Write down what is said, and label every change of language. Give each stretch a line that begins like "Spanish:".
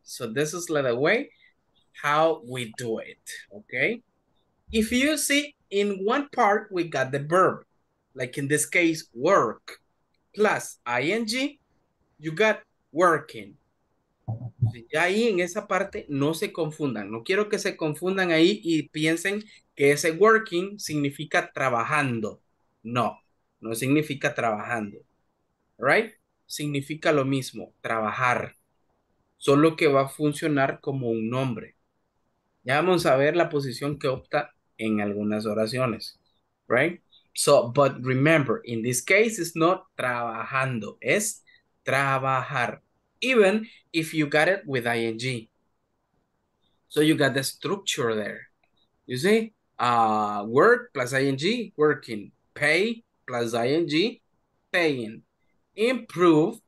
English: So this is like the way how we do it, okay? If you see in one part, we got the verb, like in this case, work, plus ing, you got working.
Spanish: Ahí en esa parte, no se confundan. No quiero que se confundan ahí y piensen que ese working significa trabajando. No, no significa trabajando,
English: right?
Spanish: Significa lo mismo, trabajar. Solo que va a funcionar como un nombre. Ya vamos a ver la posición que opta en algunas oraciones,
English: right? So, but remember, in this case, it's not trabajando,
Spanish: es trabajar,
English: even if you got it with ing. So you got the structure there. You see, work plus ing, working. Pay plus ing, paying. Improve